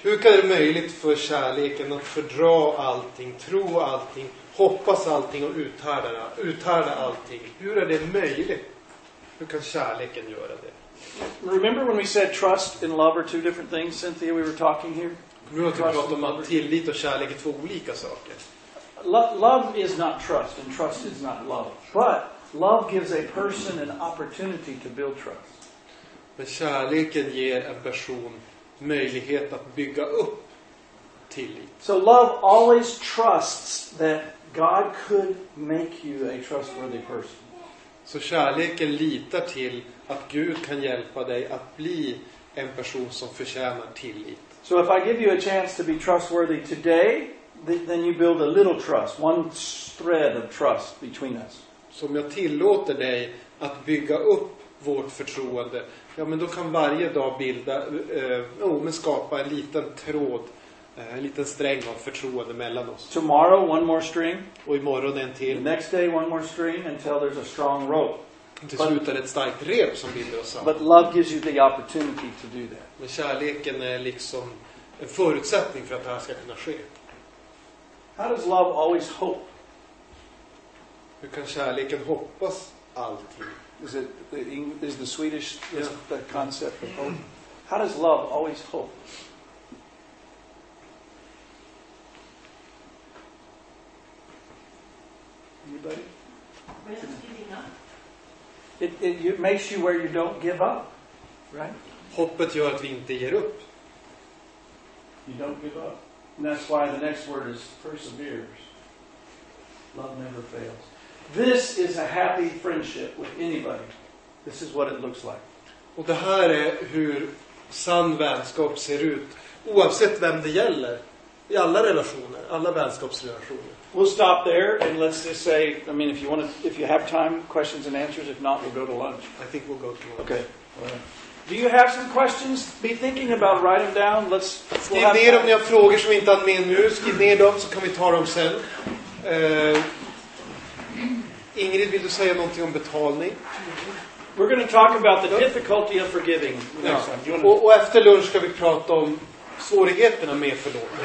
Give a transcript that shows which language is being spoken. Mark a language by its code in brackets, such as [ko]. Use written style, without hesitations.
[sv] Hur kan det möjligt för kärleken att fördra allting, tro allting, hoppas allting och uthärda allting? Hur är det möjligt? Hur kan kärleken göra det? [en] Remember when we said trust and love are two different things, Cynthia, we were talking here? [sv] Nu har vi pratat om att tillit och kärlek är två olika saker. [en] Love is not trust, and trust is not love. But love gives a person an opportunity to build trust. [sv] Men kärleken ger en person möjlighet att bygga upp tillit. [en] So love always trusts that God could make you a trustworthy person. [sv] Så kärleken litar till att Gud kan hjälpa dig att bli en person som förtjänar tillit. [en] So if I give you a chance to be trustworthy today, then you build a little trust, one thread of trust between us. [sv] Så om jag tillåter dig att bygga upp vårt förtroende, ja, men då kan varje dag skapa en liten tråd, en liten sträng av förtroende mellan oss. [en] Tomorrow, one more string. [sv] Och imorgon en till. [en] The next day, one more string until there's a strong rope. [sv] Till slut är det ett starkt rep som binder oss samman. [en] But love gives you the opportunity to do that. [sv] Men kärleken är liksom en förutsättning för att det här ska kunna ske. [en] How does love always hope? [sv] Hur kan kärleken hoppas alltid? [en] Is the concept of hope? How does love always hope? Anybody? It makes you where you don't give up, right? [sv] Hoppet gör att vi inte ger upp. [en] You don't give up. And that's why the next word is perseveres. Love never fails. This is a happy friendship with anybody. This is what it looks like. [sv] Och det här är hur sann vänskap ser ut, oavsett vem det gäller, i alla relationer, alla vänskapsrelationer. [en] We'll stop there and let's just say, I mean, if you have time, questions and answers. If not, we'll go to lunch. I think we'll go to lunch. Okay. Do you have some questions? Be thinking about writing them down. Let's. [sv] Skriv we'll ner dem. Ni har frågor som vi inte har med nu. Skriv ner dem så kan vi ta dem sen. Ingrid, vill du säga någonting om betalning? [en] We're going to talk about the difficulty of forgiving. [sv] Ja. Och efter lunch ska vi prata om svårigheterna med förlåtelse.